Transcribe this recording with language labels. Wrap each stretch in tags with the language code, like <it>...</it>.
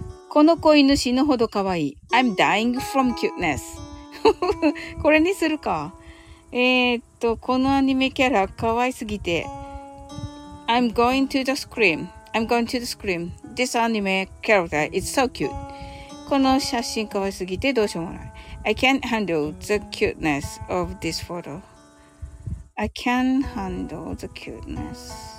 <ja>この子犬死ぬほど可愛い。</ja> <en>I'm dying from cuteness.</en> <ja>これにするか。このアニメキャラ可愛すぎて。</ja> <en>I'm going to the scream. I'm going to the scream. This anime character is so cute.</en> <ja>この写真可愛すぎてどうしようもない。</ja> <en>I can't handle the cuteness of this photo. I can't handle the cuteness.</en>